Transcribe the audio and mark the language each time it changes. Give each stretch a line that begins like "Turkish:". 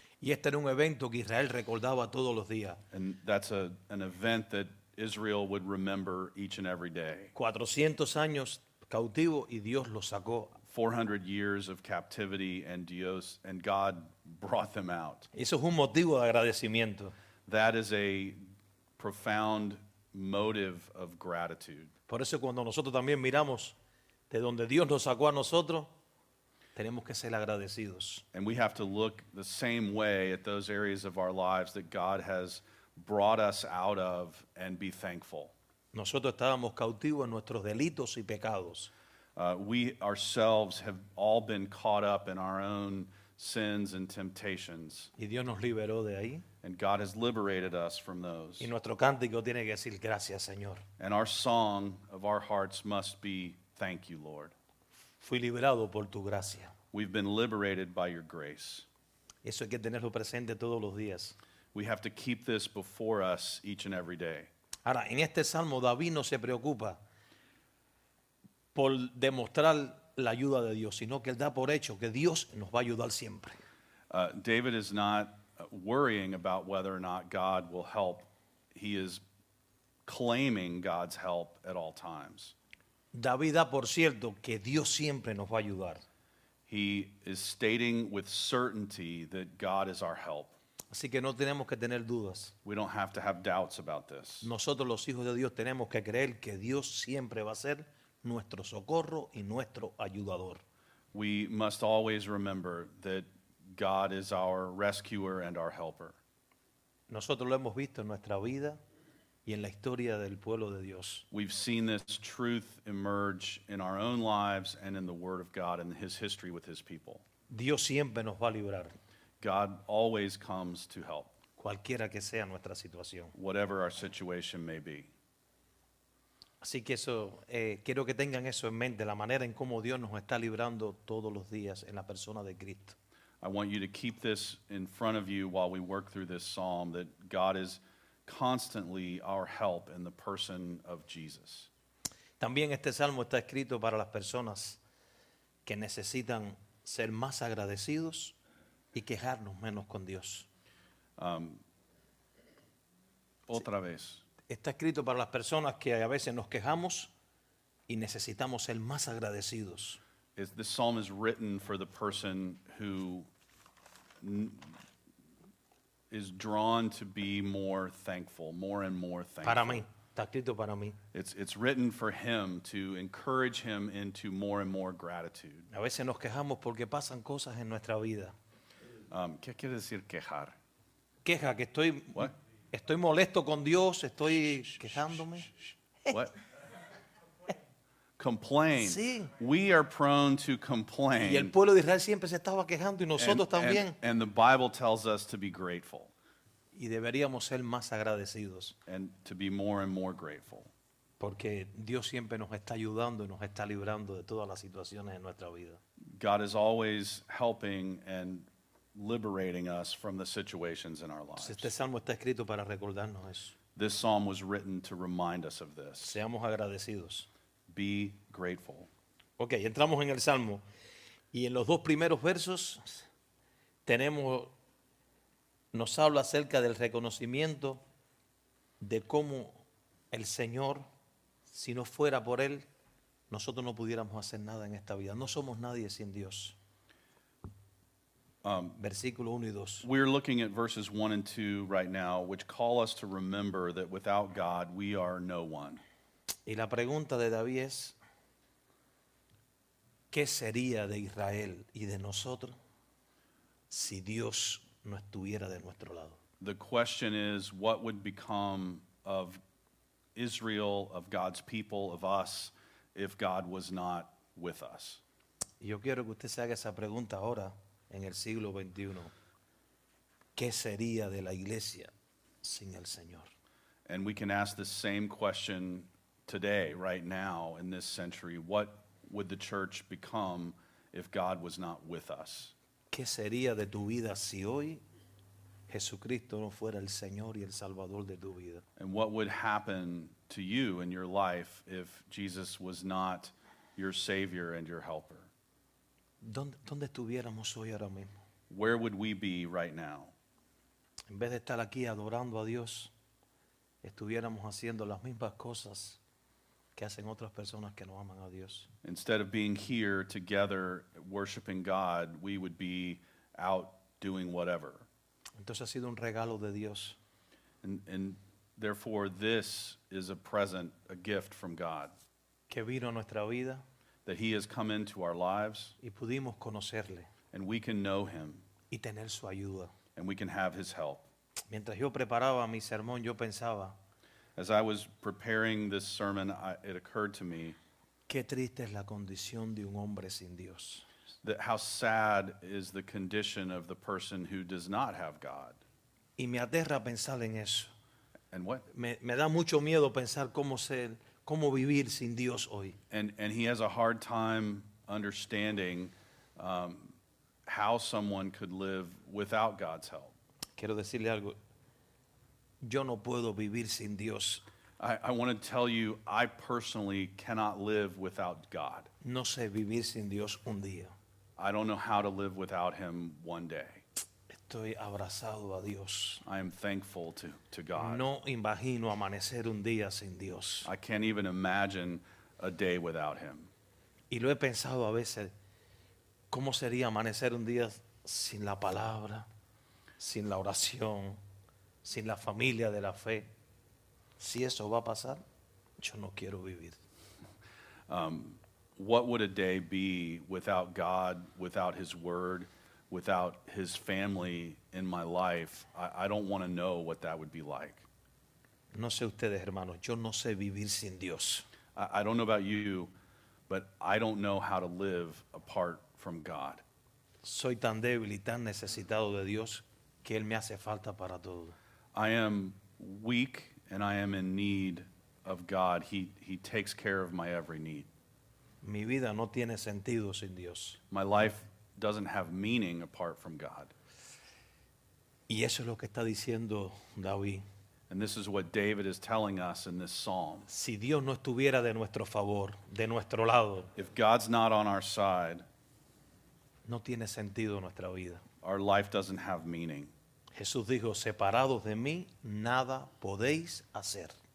Spanish: Y este era un evento que Israel recordaba todos los días.
English: And that's an event that Israel would remember each and every day.
Spanish: 400 años cautivo y Dios los sacó.
English: 400 years of captivity and God brought them out.
Spanish: Eso es un motivo de agradecimiento.
English: That is a profound motive of gratitude.
Spanish: Por eso cuando nosotros también miramos de donde Dios nos sacó a nosotros, tenemos que ser agradecidos.
English: And we have to look the same way at those areas of our lives that God has brought us out of and be thankful.
Spanish: Nosotros estábamos cautivos en nuestros delitos y pecados.
English: We ourselves have all been caught up in our own sins and temptations.
Spanish: Y Dios nos liberó de ahí.
English: And God has liberated us from those.
Spanish: Y nuestro cántico tiene que decir gracias, Señor.
English: And our song of our hearts must be thank you, Lord.
Spanish: Fui liberado por tu gracia.
English: We've been liberated by your grace.
Spanish: Eso hay que tenerlo presente todos los días.
English: We have to keep this before us each and every day.
Spanish: Ahora, en este salmo, David no se preocupa por demostrar la ayuda de Dios, sino que él da por hecho que Dios nos va a ayudar siempre.
English: David is not worrying about whether or not God will help. He is claiming God's help at all times.
Spanish: David da por cierto que Dios siempre nos va a ayudar.
English: He is stating with certainty that God is our help.
Spanish: Así que no tenemos que tener dudas.
English: We don't have to have doubts about this.
Spanish: Nosotros los hijos de Dios tenemos que creer que Dios siempre va a ser nuestro socorro y nuestro ayudador.
English: We must always remember that God is our rescuer and our helper.
Spanish: Nosotros lo hemos visto en nuestra vida y en la historia del pueblo de Dios.
English: We've seen this truth emerge in our own lives and in the Word of God and His history with His people.
Spanish: Dios siempre nos va a librar.
English: God always comes to help.
Spanish: Cualquiera que sea nuestra situación.
English: Whatever our situation may be.
Spanish: Así que eso, quiero que tengan eso en mente, la manera en cómo Dios nos está librando todos los días en la persona de Cristo.
English: I want you to keep this in front of you while we work through this psalm, that God is constantly our help in the person of Jesus.
Spanish: También este salmo está escrito para las personas que necesitan ser más agradecidos y quejarnos menos con Dios. Otra vez. Está escrito para las personas que a veces nos quejamos y necesitamos ser más agradecidos.
English: This psalm is written for the person who is drawn to be more thankful, more and more thankful.
Spanish: Para mí, está escrito para mí.
English: It's written for him to encourage him into more and more gratitude.
Spanish: A veces nos quejamos porque pasan cosas en nuestra vida. ¿Qué quiere decir quejar? Queja, que estoy...
English: What?
Spanish: Estoy molesto con Dios, estoy quejándome.
English: What? Complain.
Spanish: Sí.
English: We are prone to complain.
Spanish: Y el pueblo de Israel siempre se estaba quejando y nosotros también.
English: And the Bible tells us to be grateful.
Spanish: Y deberíamos ser más agradecidos.
English: And to be more and more grateful.
Spanish: Porque Dios siempre nos está ayudando y nos está librando de todas las situaciones en nuestra vida.
English: God is always helping and liberating us from the situations in our lives.
Spanish: Este salmo está escrito para recordarnos eso.
English: This psalm was written to remind us of this.
Spanish: Seamos agradecidos.
English: Be grateful.
Spanish: Okay, entramos en el salmo. Y en los dos primeros versos nos habla acerca del reconocimiento de cómo el Señor, si no fuera por Él, nosotros no pudiéramos hacer nada en esta vida. No somos nadie sin Dios. Versículo 1 y 2.
English: We're looking at verses 1 and 2 right now, which call us to remember that without God we are no one.
Spanish: Y la pregunta de David es, ¿qué sería de Israel y de nosotros si Dios no estuviera de nuestro lado?
English: The question is, what would become of Israel, of God's people, of us, if God was not with us?
Spanish: Yo quiero que usted se haga esa pregunta ahora. En el siglo 21, ¿qué sería de la iglesia sin el Señor?
English: And we can ask the same question today, right now, in this century. What would the church become if God was not with us?
Spanish: ¿Qué sería de tu vida si hoy Jesucristo no fuera el Señor y el Salvador de tu vida.
English: And what would happen to you in your life if Jesus was not your Savior and your Helper?
Spanish: ¿Dónde estuviéramos hoy ahora mismo?
English: Where would we be right now?
Spanish: En vez de estar aquí adorando a Dios, estuviéramos haciendo las mismas cosas que hacen otras personas que no aman a Dios.
English: Instead of being here together worshiping God, we would be out doing whatever.
Spanish: Entonces ha sido un regalo de Dios.
English: And therefore, this is a present, a gift from God.
Spanish: Que vino a nuestra vida.
English: That He has come into our lives.
Spanish: Y pudimos conocerle.
English: And we can know Him.
Spanish: Y tener su ayuda.
English: And we can have His help.
Spanish: Mientras yo preparaba mi sermón, yo pensaba.
English: As I was preparing this sermon, it occurred to me.
Spanish: Qué triste es la condición de un hombre sin Dios.
English: That how sad is the condition of the person who does not have God.
Spanish: Y me aterra pensar en eso.
English: And what?
Spanish: Me da mucho miedo pensar cómo vivir sin Dios hoy.
English: And he has a hard time understanding how someone could live without God's help.
Spanish: Quiero decirle algo. Yo no puedo vivir sin Dios.
English: I want to tell you, I personally cannot live without God.
Spanish: No sé vivir sin Dios un día.
English: I don't know how to live without Him one day.
Spanish: Estoy abrazado a Dios.
English: I am thankful to God.
Spanish: No imagino amanecer un día sin Dios.
English: I can't even imagine a day without Him.
Spanish: Y lo he pensado a veces, ¿cómo sería amanecer un día sin la palabra, sin la oración, sin la familia de la fe? Si eso va a pasar, yo no quiero vivir.
English: What would a day be without God, without His Word, without His family in my life? I don't want to know what that would be like.
Spanish: No sé ustedes, hermanos. Yo no sé vivir sin Dios.
English: I don't know about you, but I don't know how to live apart from God.
Spanish: Soy tan débil y tan necesitado de Dios que Él me hace falta para todo.
English: I am weak and I am in need of God. He takes care of my every need.
Spanish: Mi vida no tiene sentido sin Dios.
English: My life doesn't have meaning apart from God.
Spanish: Y eso es lo que está diciendo David.
English: And this is what David is telling us in this psalm.
Spanish: Si Dios no estuviera de nuestro favor, de nuestro lado.
English: If God's not on our side.
Spanish: No tiene sentido nuestra vida.
English: Our life doesn't have meaning.
Spanish: Jesús dijo, separados de mí, nada podéis hacer.